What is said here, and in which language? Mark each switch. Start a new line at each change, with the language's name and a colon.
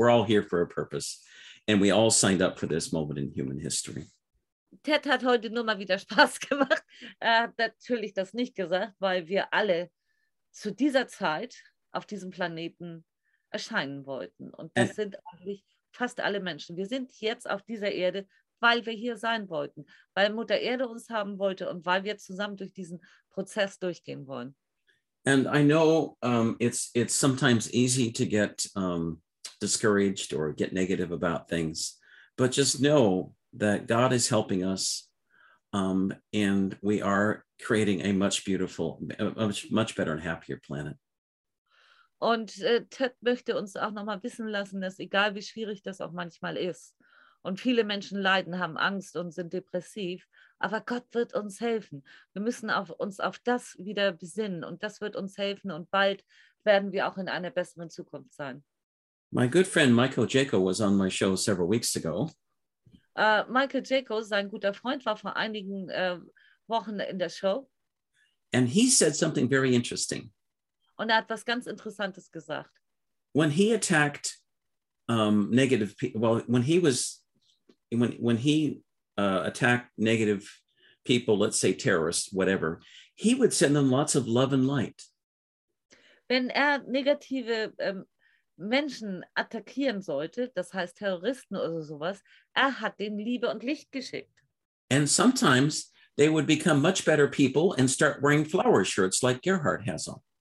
English: We're all here for a purpose, and we all signed up for this moment in human history.
German: Ted hat heute nur mal wieder Spaß gemacht. Er hat natürlich das nicht gesagt, weil wir alle zu dieser Zeit auf diesem Planeten erscheinen wollten. Und das sind eigentlich fast alle Menschen. Wir sind jetzt auf dieser Erde, weil wir hier sein wollten, weil Mutter Erde uns haben wollte und weil wir zusammen durch diesen Prozess durchgehen wollen.
English: And I know it's sometimes easy to get discouraged or get negative about things, but just know that God is helping us And we are creating a much beautiful, much better and happier planet.
German: Und Ted möchte uns auch nochmal wissen lassen, dass egal wie schwierig das auch manchmal ist und viele Menschen leiden, haben Angst und sind depressiv, aber Gott wird uns helfen. Wir müssen auf uns auf das wieder besinnen und das wird uns helfen und bald werden wir auch in einer besseren Zukunft sein.
English: My good friend Michael Jaco was on my show several weeks ago.
German: Michael Jaco, sein guter Freund, war vor einigen Wochen in der Show.
English: And he said something very interesting.
German: Und er hat was ganz Interessantes gesagt.
English: When he attacked negative people, well, when he attacked negative people, let's say terrorists, whatever, he would send them lots of love and light.
German: Wenn er negative Menschen attackieren sollte, das heißt Terroristen oder sowas, er hat denen Liebe und Licht geschickt.
English: And sometimes they would become much better people and start wearing flower shirts like Gerhard has on.